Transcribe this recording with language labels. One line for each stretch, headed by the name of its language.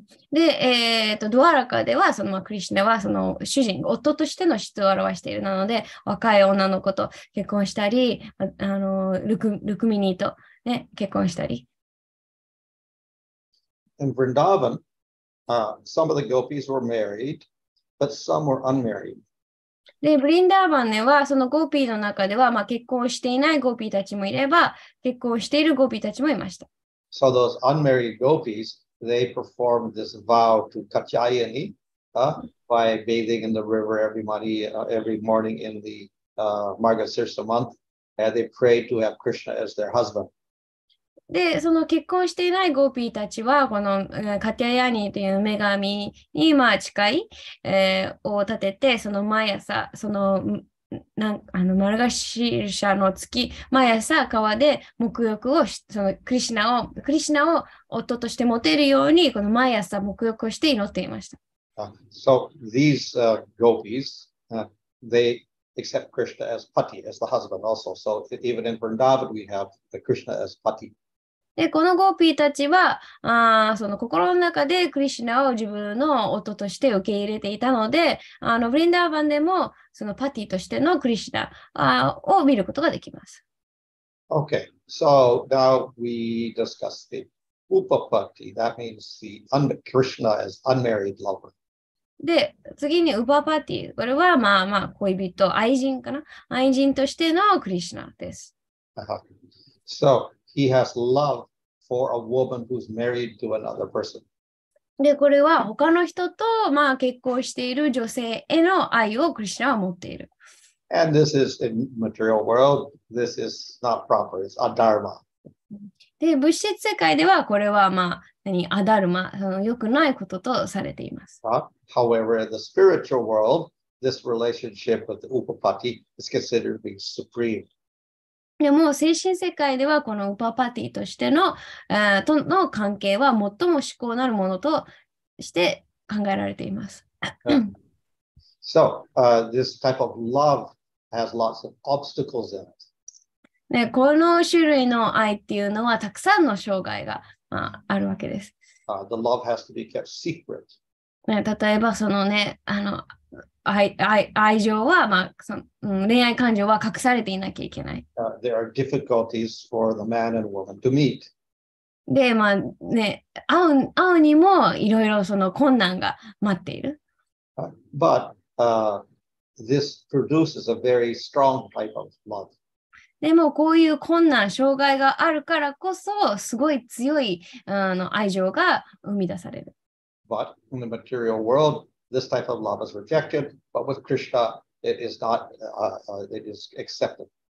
Japanese: で、ドワラカでは、そのクリシュナはその主人、夫としての質を表しているなので、若い女の子と結婚したり、ルクミニーと、ね、結婚したり。
English: In Vrindavan, some of the gopis were married, but some were unmarried.
Japanese: で、ブリンダーバンでは、そのゴーピーの中では、まあ、結婚していないゴーピーたちもいれば、結婚しているゴーピーたちもいました。
English: So those unmarried gopis,They perform this vow to Katyayani by bathing in the river every morning in the Margasirsa month, and they pray to have Krishna as their husband.
Japanese: で、その結婚していないゴーピーたちはこのカティヤニという女神にまあ誓いを立てて、その毎朝そのなんあのマルガシルシャの月毎朝川で沐浴をしそのクリシナを夫として持てるようにこの毎朝沐浴をして祈っていました。
English: So these gopis, they accept Krishna as pati, as the husband also. So even in Vrindavan, we have the Krishna as pati.
Japanese: でこのゴーピーたちはその心の中でクリシナを自分の夫として受け入れていたので、ブリンダーバンでもそのパティとしてのクリシナを見ることができます。
English: Okay, so now we discuss the upapati. That means the Krishna as unmarried lover.
Japanese: で、次にウパパティ。これはまあまあ恋人、愛人かな。愛人としてのクリシナです。
English: So, he has love for a woman who's married to another person.
Japanese: で、これは他の人と、まあ、結婚している女性への愛をクリシュナは持っている。
English: And this is in material world, this is not proper, it's a dharma.
Japanese: で、物質世界ではこれはまあ、何、アダルマ、良くないこととされています。
English: However, in the spiritual world, this relationship with the upapati is considered to be supreme.
Japanese: でも精神世界ではこのウパパティとしての、との関係は最も至高なるものとして考えられています。
English: So, this type of love has lots of obstacles in it.
Japanese: ね、この種類の愛っていうのはたくさんの障害が、まあ、あるわけです。
English: The love has to be kept secret.
Japanese: ね、例えばそのね、愛情は、まあ、恋愛感情は隠されていなきゃいけない。
English: There are difficulties for the man and woman to meet.
Japanese: で、まあね、会うにもいろいろその困難が待っている。
English: But, this produces a very strong type of love.
Japanese: でもこういう困難、障害があるからこそ、すごい強い愛情が生み出される。
English: But in the material world,This type of love is rejected, but with Krishna, it is not, it is accepted.